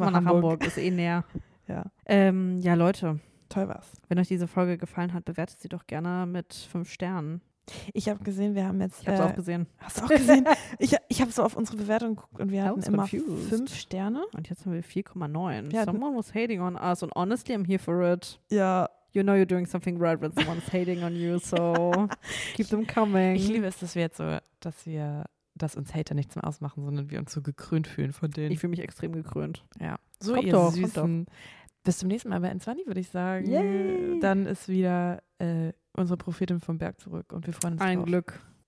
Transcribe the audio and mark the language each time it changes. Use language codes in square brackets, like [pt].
[de] erst mal nach Hamburg. Ist eh näher. Ja. Ja, Leute. Toll war's. Wenn euch diese Folge gefallen hat, bewertet sie doch gerne mit 5 Sternen. Ich habe gesehen, wir haben jetzt. Ich hab's auch gesehen. Hast du auch gesehen? Ich habe so auf unsere Bewertung geguckt und wir hatten immer 5 Sterne. Und jetzt haben wir 4,9. [en] Someone was hating on us and honestly, I'm here for it. [de] Ja. [en] You know you're doing something right when someone's hating on you, so keep them coming. [de] Ich liebe es, dass wir jetzt so, dass uns Hater nichts mehr ausmachen, sondern wir uns so gekrönt fühlen von denen. Ich fühle mich extrem gekrönt. Ja. So kommt ihr doch, Süßen. Kommt doch. Bis zum nächsten Mal bei N20, würde ich sagen. Yay. Dann ist wieder unsere Prophetin vom Berg zurück und wir freuen uns ein drauf. Glück.